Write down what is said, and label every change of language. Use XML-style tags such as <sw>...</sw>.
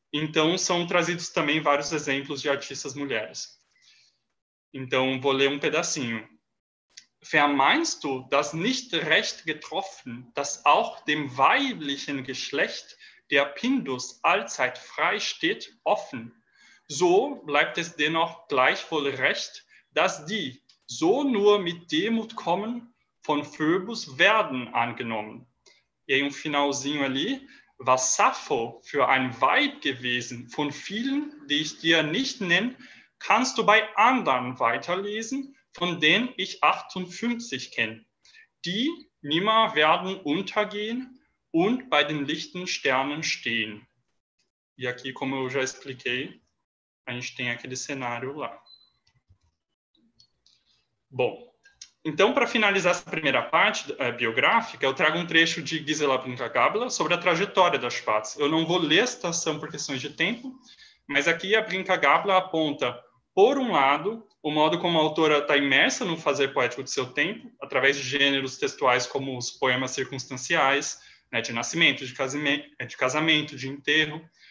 <pt>Então são trazidos também vários exemplos de artistas mulheres. Então, vou ler um pedacinho.</pt> <de>Vermeinst du, dass nicht recht getroffen, dass auch dem weiblichen Geschlecht der Pindus allzeit frei steht, offen? So bleibt es dennoch gleichwohl recht, dass die so nur mit Demut kommen, von Phoebus werden angenommen.</de> <pt>E aí um finalzinho ali.</pt> <de>Was Sappho für ein Weib gewesen, von vielen, die ich dir nicht nenne, kannst du bei anderen weiterlesen, von denen ich 58 kenne. Die nimmer werden untergehen und bei den lichten Sternen stehen.</de> <pt>E aqui, como eu já expliquei, a gente tem aquele cenário lá. Bom, então, para finalizar essa primeira parte biográfica, eu trago um trecho de Gisela Princa Gabler sobre a trajetória das Schwarz. Eu não vou ler a citação por questões de tempo, mas aqui a Princa Gabler aponta, por um lado, o modo como a autora está imersa no fazer poético de seu tempo, através de gêneros textuais como os poemas circunstanciais, né, de nascimento, de casamento, de enterro,</pt>